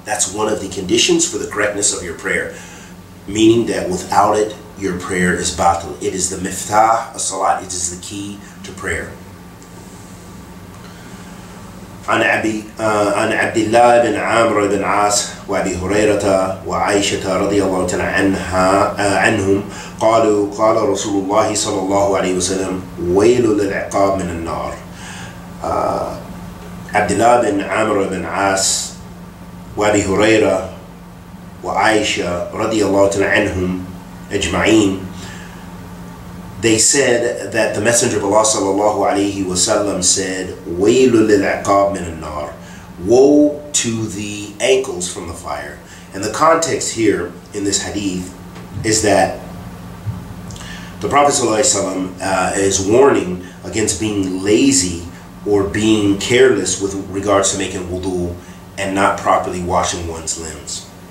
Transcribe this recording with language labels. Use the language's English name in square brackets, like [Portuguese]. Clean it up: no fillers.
[English] That's one of the conditions for the correctness of your prayer. Meaning that without it, your prayer is batil. It is the miftah of salat. It is the key to prayer. [Arabic] عن عبد الله بن عمرو بن عاص وابي هريرة وعائشة رضي الله تعالى عنهم قالوا قال رسول الله صلى الله عليه وسلم ويل للعقاب من النار. عبد الله بن عمرو بن عاص وابي هريرة وعائشة رضي الله تعالى عنهم أجمعين. [English] They said that the Messenger of Allah sallallahu alayhi wa sallam said, [Arabic] "Waylu lil'aqab min an-nar," [English] woe to the ankles from the fire. And the context here in this hadith is that the Prophet sallallahu alayhi wa sallam is warning against being lazy or being careless with regards to making wudu and not properly washing one's limbs.